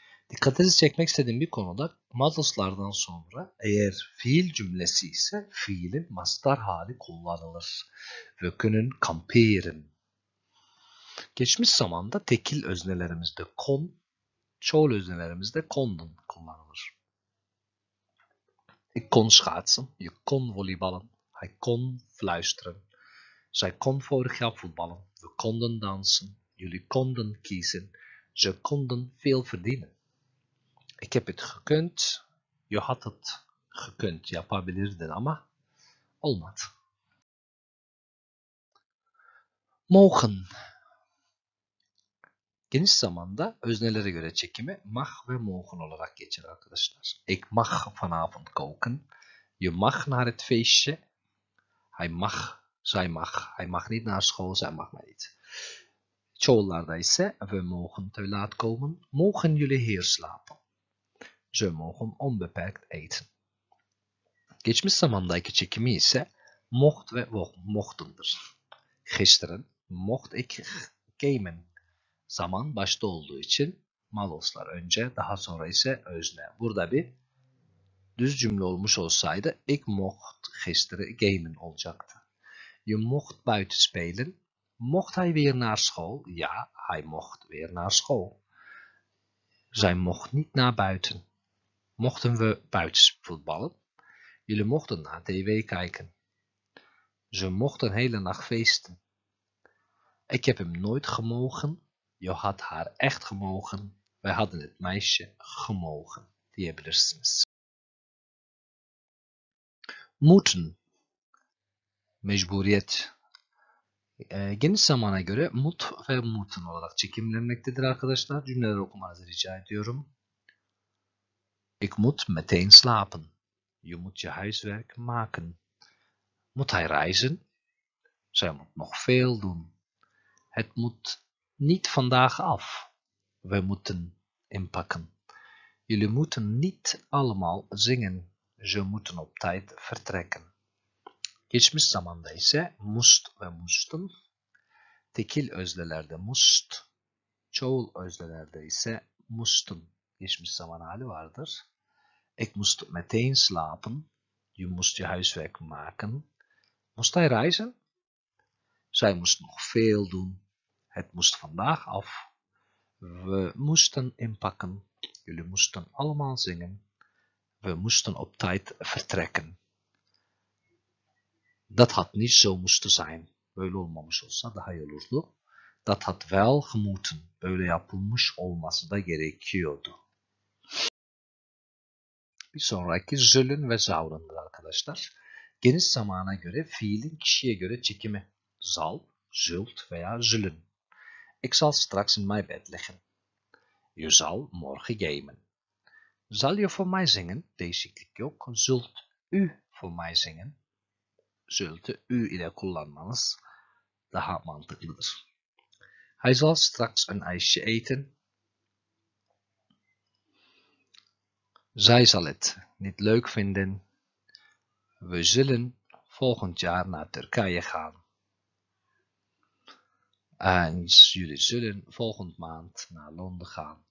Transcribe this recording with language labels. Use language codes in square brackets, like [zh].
[tr] Dikkatinizi çekmek istediğim bir konuda modalslardan sonra eğer fiil cümlesi ise fiilin mastar hali kullanılır. Wökünün kampieren. Geçmiş zamanda tekil öznelerimizde kon, çoğul öznelerimizde kondun kullanılır. [nl] Ik kon schaatsen, je kon volleyballen, hij kon fluisteren, zij kon vorig jaar voetballen, we konden dansen, jullie konden kiezen, ze konden veel verdienen. Ik heb het gekund. Je had het gekund. [tr] Yapabilirdin ama olmadı. [nl] Mogen. [tr] Geniş zamanda öznelere göre çekimi mag ve mogen olarak geçer arkadaşlar. [nl] Ik mag vanavond koken. Je mag naar het feestje. Hij mag, zij mag. Hij mag niet naar school, zij mag niet. [tr] Çoğullarda ise [nl] we mogen te laat komen. Mogen jullie hier slapen? Ze mogen onbeperkt eten. [tr] Geçmiş zamandaki çekimi ise mocht ve mochtendir. [nl] Gisteren mocht ik gamen. [tr] Zaman başta olduğu için maloslar önce, daha sonra ise özne. Burada bir düz cümle olmuş olsaydı [nl] ik mocht gisteren gamen [tr] olacaktı. [nl] Je mocht buiten spelen. Mocht hij weer naar school? Ja, hij mocht weer naar school. Zij mocht niet naar buiten. Mochten we buiten voetballen? Jullie mochten naar tv kijken. Ze mochten hele nacht feesten. Ik heb hem nooit gemogen. Je had haar echt gemogen. Wij hadden het meisje gemogen. [tr] Diyebilirsiniz. Moeten. Mecburiyet. Geniş zamana göre moet ve moeten olarak çekimlenmektedir arkadaşlar. Cümleleri okumanızı rica ediyorum. [nl] Ik moet meteen slapen. Je moet je huiswerk maken. Moet hij reizen? Zij moet nog veel doen. Het moet niet vandaag af. We moeten inpakken. Jullie moeten niet allemaal zingen. Ze moeten op tijd vertrekken. [tr] Geçmiş zamanda ise moest ve moesten. Tekil öznelerde moest. Çoğul öznelerde ise moesten. Geçmiş zaman hali vardır. [nl] Ik moest meteen slapen. Je moest je huiswerk maken. Moest hij reizen? Zij moest nog veel doen. Het moest vandaag af. We moesten inpakken. Jullie moesten allemaal zingen. We moesten op tijd vertrekken. Dat had niet zo moesten zijn. [tr] Böyle olmamış olsa daha iyi olurdu. [nl] Dat had wel gemoeten. [tr] Böyle yapılmış olması da gerekiyordu. Bir sonraki zullen ve zouden'dır arkadaşlar. Geniş zamana göre fiilin kişiye göre çekimi. [nl] Zal, zult veya zullen. Ik zal straks in mijn bed liggen. Je zal morgen gamen. Zal je voor mij zingen? [tr] Değişiklik yok. [nl] Zult u voor mij zingen? [tr] Zulte u ile kullanmanız daha mantıklıdır. [nl] Hij zal straks een ijsje eten. Zij zal het niet leuk vinden. We zullen volgend jaar naar Turkije gaan. En jullie zullen volgend maand naar Londen gaan.